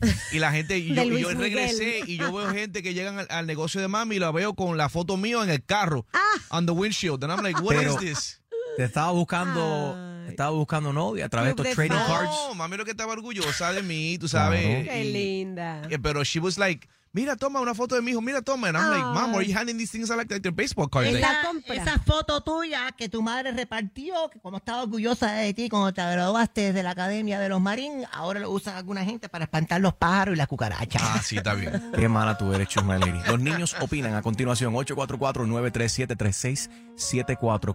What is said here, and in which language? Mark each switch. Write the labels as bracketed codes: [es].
[es] Y la gente, yo regresé y yo veo gente que llegan al negocio de mami y la veo con la foto mío en el carro, [en] on the windshield. And I'm like, what is this? [es] Te estaba buscando, novia a través de estos [en] trading cards. [es] No, mami lo que estaba orgullosa de mí, tú sabes. Qué linda. Pero [en] she was like, [es] mira, toma una foto de mi hijo, mira, toma. [en] And I'm like, mom, are you handing these things like they're baseball cards? [es] Esa foto tuya que tu madre repartió, que como estaba orgullosa de ti cuando te graduaste de la Academia de los Marín, ahora lo usan alguna gente para espantar los pájaros y las cucarachas. Ah, sí, está bien. Qué mala tú eres, Chumaleri. Los niños opinan a continuación. 844-937-3674.